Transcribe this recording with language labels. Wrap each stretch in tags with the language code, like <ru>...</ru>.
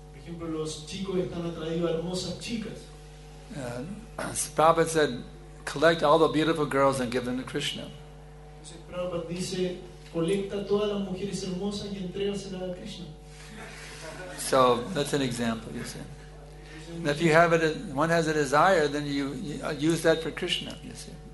<en>Prabhupada said, collect all the beautiful girls and give them to Krishna.</en> <es>Entonces, Prabhupada dice, Colecta todas las mujeres hermosas y entrégaselas a Krishna.</es> <en>So that's an example, you see. And if you have it, one has a desire, then you use that for Krishna, you see.</en>